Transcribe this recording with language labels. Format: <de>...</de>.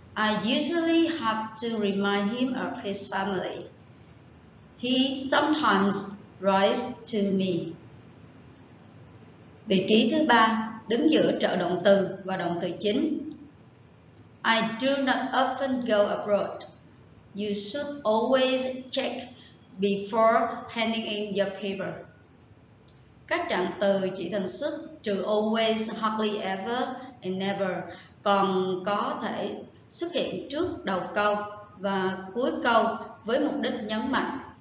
<en>I usually have to remind him of his family. He sometimes writes to me.</en> <vi>Vị trí thứ ba, đứng giữa trợ động từ và động từ chính.</vi> <en>I do not often go abroad. You should always check before handing in your paper.</en> <vi>Các trạng từ chỉ thường xuất trừ always, hardly ever and never còn có thể xuất hiện trước đầu câu và cuối câu với mục đích nhấn mạnh.</vi>